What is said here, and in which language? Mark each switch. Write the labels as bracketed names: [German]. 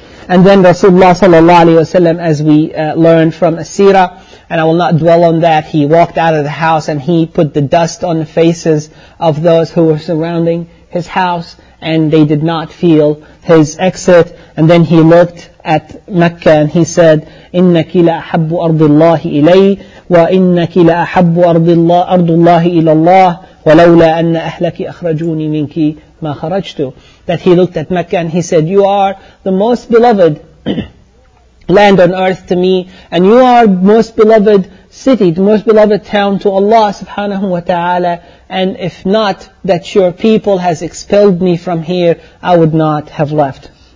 [English] And then Rasulullah sallallahu alayhi wa sallam, as we learn from As-Sirah, and I will not dwell on that, he walked out of the house and he put the dust on the faces of those who were surrounding his house, and they did not feel his exit. And then he looked at Mecca and he said, [Arabic] إِنَّكِ لَأَحَبُّ أَرْضِ اللَّهِ إِلَيْهِ وَإِنَّكِ لَأَحَبُّ أَرْضُ اللَّهِ إِلَى اللَّهِ وَلَوْلَا أَنَّ أَهْلَكِ أَخْرَجُونِ مِنْكِ مَا خَرَجْتُ. [English] That he looked at Mecca and he said, you are the most beloved land on earth to me, and you are most beloved city, the most beloved town to Allah subhanahu wa ta'ala, and if not that your people has expelled me from here, I would not have left.